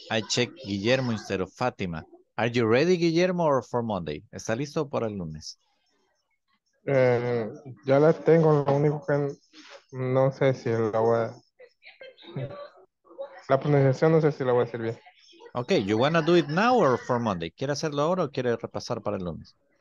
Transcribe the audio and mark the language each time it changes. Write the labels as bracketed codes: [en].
[en] I checked Guillermo instead of Fátima. Are you ready, Guillermo, or for Monday? [es] ¿Está listo para el lunes? Ya la tengo, lo único que no sé si la voy a... La pronunciación no sé si la voy a decir bien. [en] Ok, you wanna do it now or for Monday? [es] ¿Quiere hacerlo ahora o quiere repasar para el lunes?